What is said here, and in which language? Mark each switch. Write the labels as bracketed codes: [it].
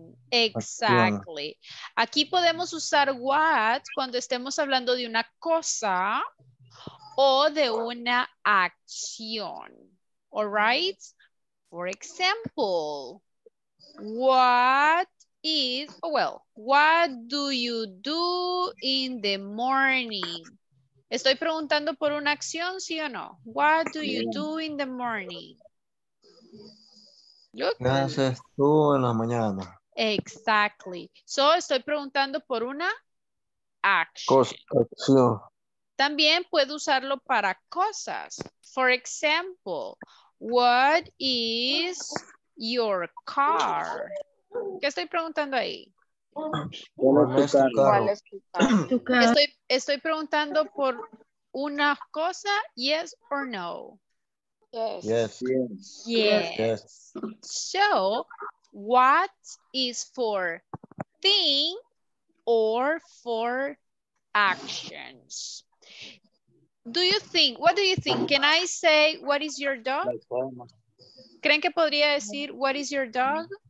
[es] Exactly. Aquí podemos usar what cuando estemos hablando de una cosa o de una acción. [en] All right? For example, what is, well, what do you do in the morning? [es] Estoy preguntando por una acción, ¿sí o no? [en] What do you do in the morning? Look. [es] ¿Qué haces tú en la mañana? [en] Exactly. So, [es] estoy preguntando por una acción. También puedo usarlo para cosas. [en] For example, what is your car? [es] ¿Qué estoy preguntando ahí? ¿Cuál es tu carro? Estoy preguntando por una cosa, [en] yes or no? Yes. Yes. Yes. Yes. So, what is for thing or for actions? Do you think, what do you think? Can I say, what is your dog? [es] ¿Creen que podría decir, [en] what is your dog?